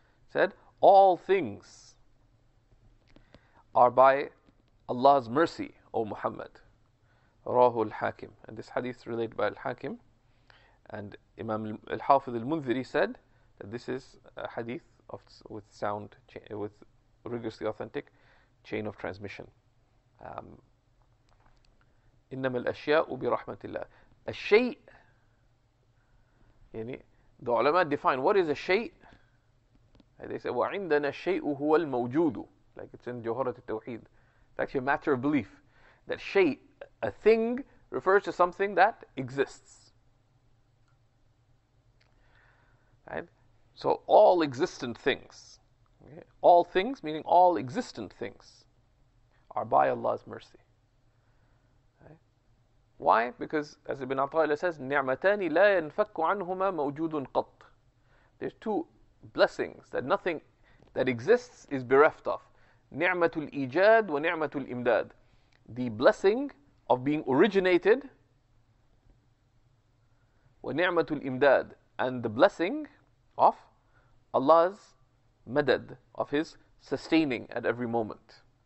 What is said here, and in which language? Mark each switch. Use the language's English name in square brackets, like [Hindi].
[English] Said, all things are by Allah's mercy, O Muhammad. [Arabic] رَاهُ الْحَاكِمِ. [English] And this hadith is related by Al-Hakim. And Imam Al-Hafidh Al-Mundhiri said that this is a hadith with rigorously authentic. chain of transmission. [Arabic] إنما الأشياء برحمة الله. الشيء يعني [English] the علماء define what is a شيء. They say [Arabic] وعندنا الشيء هو الموجود. [English] Like it's in جوهرة التوحيد. It's actually a matter of belief. That شيء, a thing, refers to something that exists. Right? So all existent things. Okay? All things meaning all existent things are by Allah's mercy. Why? Because as Ibn Athaillah says, [Arabic] نِعْمَتَانِ لَا يَنْفَكُّ عَنْهُمَا مَوْجُودٌ قَطْ. [English] There's two blessings that nothing that exists is bereft of. [Arabic] نِعْمَةُ الْإِيجَادِ وَنِعْمَةُ الْإِمْدَادِ. [English] The blessing of being originated, [Arabic] وَنِعْمَةُ الْإِمْدَادِ. [English] And the blessing of Allah's madad, of His sustaining at every moment.